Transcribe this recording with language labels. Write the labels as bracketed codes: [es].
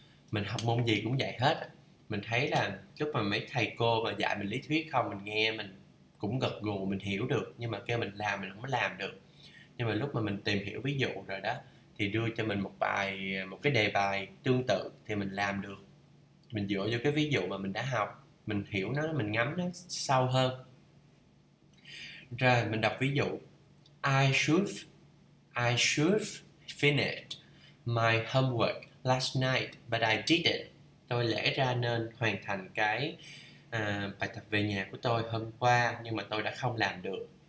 [vi] Mình học môn gì cũng vậy hết. Mình thấy là lúc mà mấy thầy cô mà dạy mình lý thuyết không, mình nghe mình cũng gật gù, mình hiểu được, nhưng mà kêu mình làm mình không có làm được. Nhưng mà lúc mà mình tìm hiểu ví dụ rồi đó, thì đưa cho mình một bài, một cái đề bài tương tự thì mình làm được. Mình dựa vô cái ví dụ mà mình đã học, mình hiểu nó, mình ngắm nó sâu hơn. Rồi mình đọc ví dụ. [en] I should finish my homework last night, but I didn't. [vi] Tôi lẽ ra nên hoàn thành cái bài tập về nhà của tôi hôm qua, nhưng mà tôi đã không làm được.